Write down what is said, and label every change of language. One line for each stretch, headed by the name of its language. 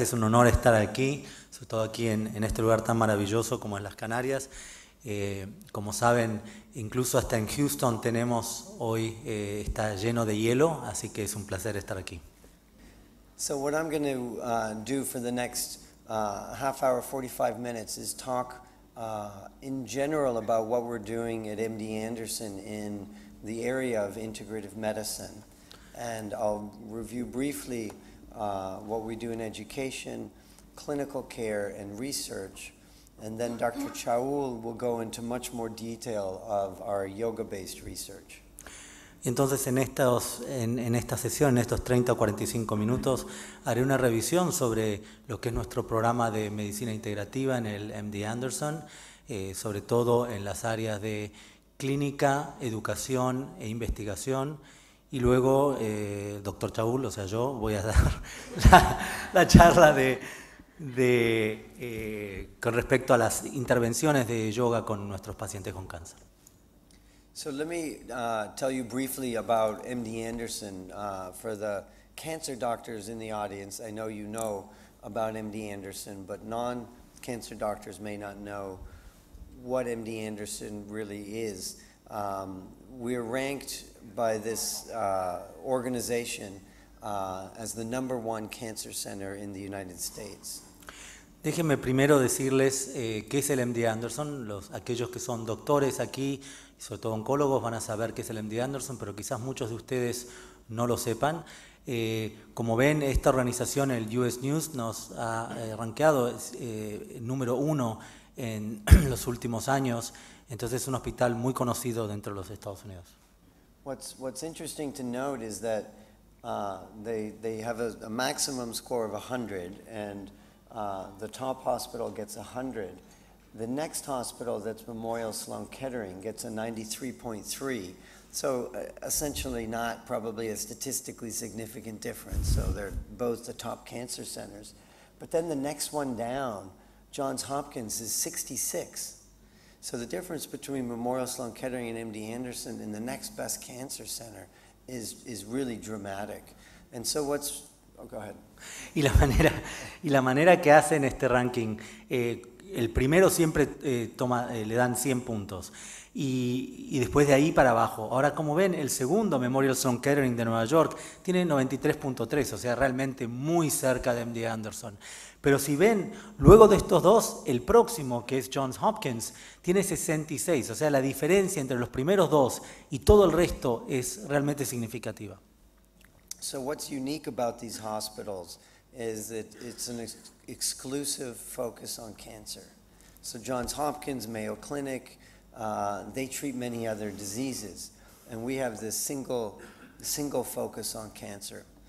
Spanish: Es un honor estar aquí, sobre todo aquí en este lugar tan maravilloso como es las Canarias. Como saben, incluso hasta en Houston tenemos hoy, está lleno de hielo, así que es un placer estar aquí.
English: So what I'm going to do for the next half hour, 45 minutes, is talk in general about what we're doing at MD Anderson in the area of integrative medicine. And I'll review briefly what we do in education, clinical care, and research. And then Dr. Chaul will go into much more detail of our yoga-based research.
Spanish: Entonces, en esta sesión, en estos 30 o 45 minutos, haré una revisión sobre lo que es nuestro programa de medicina integrativa en el MD Anderson, sobre todo en las áreas de clínica, educación e investigación. Y luego, Dr. Chaul, o sea, yo voy a dar la charla con respecto a las intervenciones de yoga con nuestros pacientes con cáncer.
English: So let me tell you briefly about MD Anderson. For the cancer doctors in the audience, I know you know about MD Anderson, but non-cancer doctors may not know what MD Anderson really is. We're ranked by this organization as the number one cancer center in the United States.
Spanish: Déjenme primero decirles qué es el MD Anderson. Aquellos que son doctores aquí, sobre todo oncólogos, van a saber qué es el MD Anderson, pero quizás muchos de ustedes no lo sepan. Como ven, esta organización, el US News, nos ha rankeado número uno en los últimos años. Entonces, es un hospital muy conocido dentro de los Estados Unidos.
English: What's interesting to note is that they have a maximum score of 100, and the top hospital gets 100. The next hospital, that's Memorial Sloan Kettering, gets a 93.3. So essentially not probably a statistically significant difference. So they're both the top cancer centers. But then the next one down, Johns Hopkins, is 66. So the difference between Memorial Sloan Kettering and MD Anderson in the next best cancer center is really dramatic. And so what's... Oh, go ahead.
Spanish: Y la manera que hacen este ranking, el primero siempre le dan 100 puntos. Y después de ahí para abajo. Ahora, como ven, el segundo Memorial Sloan Kettering de Nueva York tiene 93.3, o sea, realmente muy cerca de MD Anderson. Pero si ven, luego de estos dos, el próximo, que es Johns Hopkins, tiene 66. O sea, la diferencia entre los primeros dos y todo el resto es realmente significativa.
English: So what's unique about these hospitals is that it's an exclusive focus on cancer. So Johns Hopkins, Mayo Clinic, they treat many other diseases. And we have this single focus on cancer.